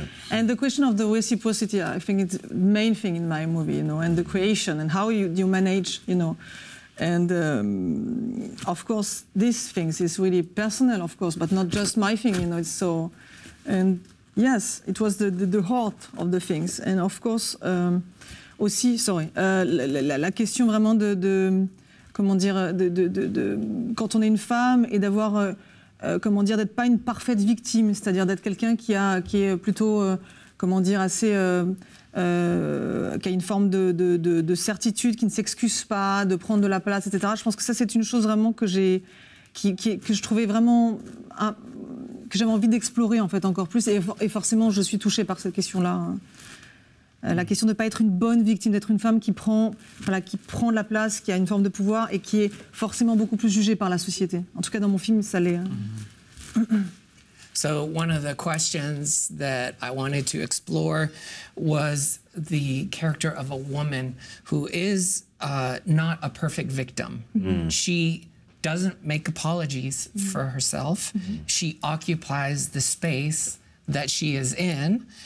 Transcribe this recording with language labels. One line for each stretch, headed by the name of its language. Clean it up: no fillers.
English: And the question of the reciprocity, I think it's the main thing in my movie, you know, and the creation and how you manage, you know. And of course, these things is really personal, of course, but not just my thing, you know, it's so... And yes, it was the heart of the things. And of course,
French: aussi,
English: sorry,
French: la question vraiment de comment dire, de quand on est une femme et d'avoir, comment dire, d'être pas une parfaite victime, c'est-à-dire d'être quelqu'un qui est plutôt, comment dire, assez... qui a une forme de certitude, qui ne s'excuse pas, de prendre de la place, etc. Je pense que ça, c'est une chose vraiment que je trouvais vraiment... que j'avais envie d'explorer, en fait, encore plus. Et forcément, je suis touchée par cette question-là. La question de ne pas être une bonne victime, d'être une femme qui prend de la place, qui a une forme de pouvoir et qui est forcément beaucoup plus jugée par la société. En tout cas, dans mon film, ça l'est.
English: So one of the questions that I wanted to explore was the character of a woman who is not a perfect victim. Mm-hmm. She doesn't make apologies for herself. Mm-hmm. She occupies the space that she is in.